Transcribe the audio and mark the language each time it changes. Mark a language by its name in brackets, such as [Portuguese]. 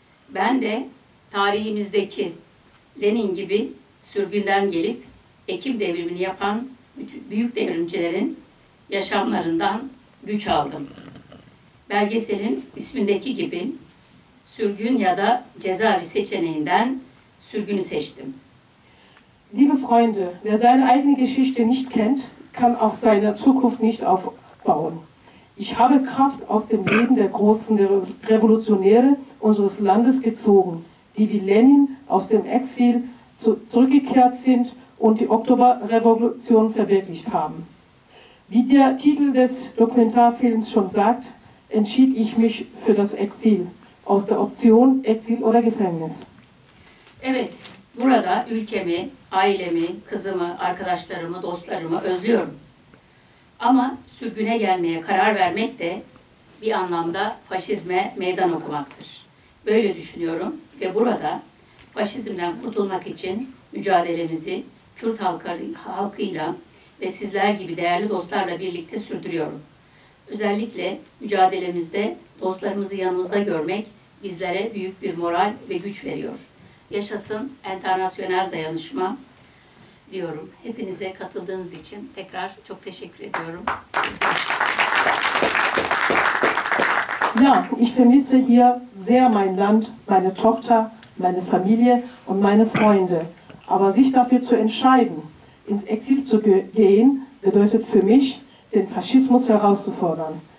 [Turkish] Ben de tarihimizdeki Lenin gibi sürgünden gelip Ekim devrimini yapan büyük devrimcilerin yaşamlarından güç aldım. Belgeselin ismindeki gibi sürgün ya da cezaevi seçeneğinden sürgünü seçtim. [German] Liebe Freunde, wer seine eigene Geschichte nicht kennt, kann auch seine Zukunft nicht aufbauen. Ich habe Kraft aus dem Leben der großen Revolutionäre unseres Landes gezogen, die wie Lenin aus dem Exil zurückgekehrt sind und die Oktoberrevolution verwirklicht haben. Wie der Titel des Dokumentarfilms schon sagt, entschied ich mich für das Exil, aus der Option Exil oder Gefängnis. [Turkish] Evet, burada ülkemi, ailemi, kızımı, arkadaşlarımı, dostlarımı özlüyorum. Ama sürgüne gelmeye karar vermek de bir anlamda faşizme meydan okumaktır. Böyle düşünüyorum ve burada faşizmden kurtulmak için mücadelemizi Kürt halkıyla ve sizler gibi değerli dostlarla birlikte sürdürüyorum. Özellikle mücadelemizde dostlarımızı yanımızda görmek bizlere büyük bir moral ve güç veriyor. Yaşasın internasyonel dayanışma diyorum. Hepinize katıldığınız için tekrar çok teşekkür ediyorum. [German] Ja, ich vermisse hier sehr mein Land, meine Tochter, meine Familie und meine Freunde. Aber sich dafür zu entscheiden, ins Exil zu gehen, bedeutet für mich, den Faschismus herauszufordern.